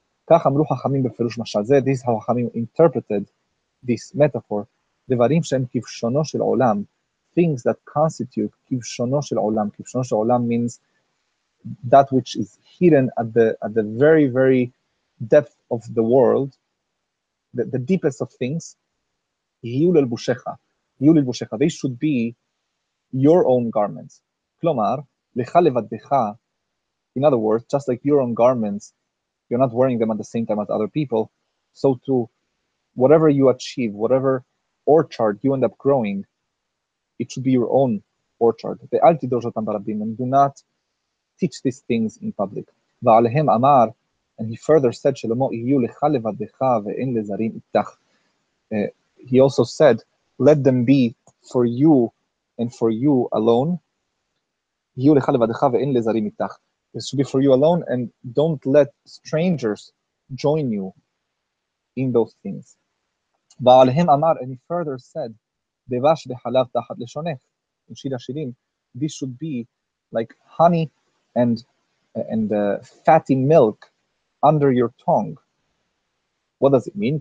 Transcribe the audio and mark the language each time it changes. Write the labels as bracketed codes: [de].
[he] כך אמרו חכמים בפירוש משל זה, [en] this is how חכמים interpreted this metaphor, [he] דברים שהם כבשונו של עולם, [en] things that constitute [he] כבשונו של עולם. כבשונו של עולם [en] means that which is hidden at the very, very depth of the world, the deepest of things, [he] יהיו ללבושך, [en] they should be your own garments. [he] כלומר, לך לבדך, [en] in other words, just like your own garments, you're not wearing them at the same time as other people. So to whatever you achieve, whatever orchard you end up growing, it should be your own orchard. [he] ואל תדרוש אותם ברבים, [en] and do not teach these things in public. [he] ועליהם אמר, [en] and he further said, [he] שלמה, יהיו לך לבדך ואין לזרים איתך. [en] He also said, let them be for you and for you alone. [he] יהיו לך לבדך ואין לזרים איתך. [en] This should be for you alone, and don't let strangers join you in those things. [he] Ba'alhem Amar, [en] and he further said, [he] Devash bechalav tachat leshonech, [en] in Shir HaShirim, this should be like honey and fatty milk under your tongue. What does it mean?